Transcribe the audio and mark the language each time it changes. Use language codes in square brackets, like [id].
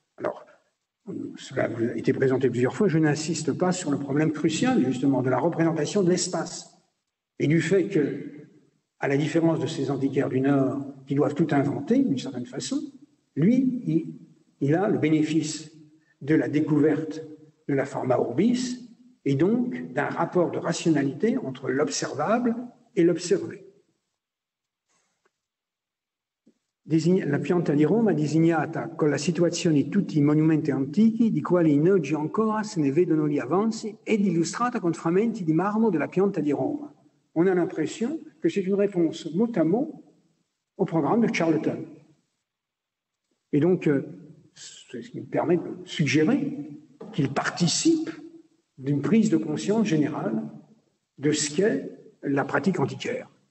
[fr] Alors, cela a été présenté plusieurs fois, je n'insiste pas sur le problème crucial justement de la représentation de l'espace et du fait que, à la différence de ces antiquaires du Nord qui doivent tout inventer d'une certaine façon, lui, il a le bénéfice de la découverte de la forma urbis et donc d'un rapport de rationalité entre l'observable et l'observé. [it] La pianta di Roma designata con la situazione tutti i monumenti antichi di quali in oggi ancora se ne vedono gli avanzi ed illustrata con frammenti di marmo della pianta di Roma. [fr] On a l'impression que c'est une réponse mot à mot au programme de Charlton. Et donc, c'est ce qui me permet de suggérer qu'il participe d'une prise de conscience générale de ce qu'est la pratique antiquaire.